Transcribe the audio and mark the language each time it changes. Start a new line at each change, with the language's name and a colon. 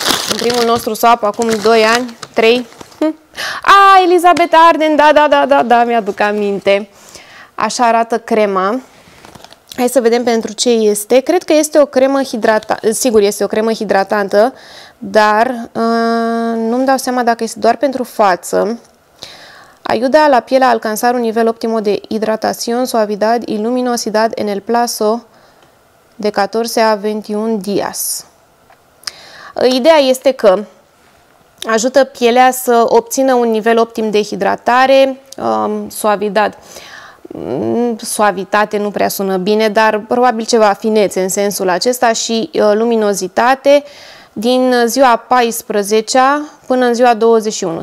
Romanian: În primul nostru swap, acum 2 ani, 3. A, Elizabeth Arden, da, mi-aduc aminte. Așa arată crema. Hai să vedem pentru ce este. Cred că este o cremă hidratantă. Sigur, este o cremă hidratantă, dar nu-mi dau seama dacă este doar pentru față.
Spanish: Ayuda la piele a alcansar un nivel optimo de hidratación, suavidad y luminosidad en el plazo de 14 a 21 días.
Romanian: Ideea este că ajută pielea să obțină un nivel optim de hidratare, suavidad. Suavitate nu prea sună bine, dar probabil ceva finețe în sensul acesta și luminozitate din ziua 14-a până în ziua 21.